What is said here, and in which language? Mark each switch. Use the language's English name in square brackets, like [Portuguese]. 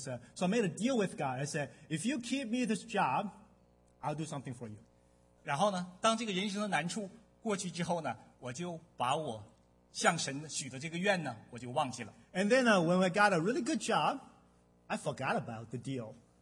[English] So I made a deal with God. I said, if you keep me this job, I'll do something for you. [Chinese] 然后呢，当这个人生的难处过去之后呢，我就把我向神许的这个愿呢，我就忘记了。 [English] And then when I got a really good job,I forgot about the deal.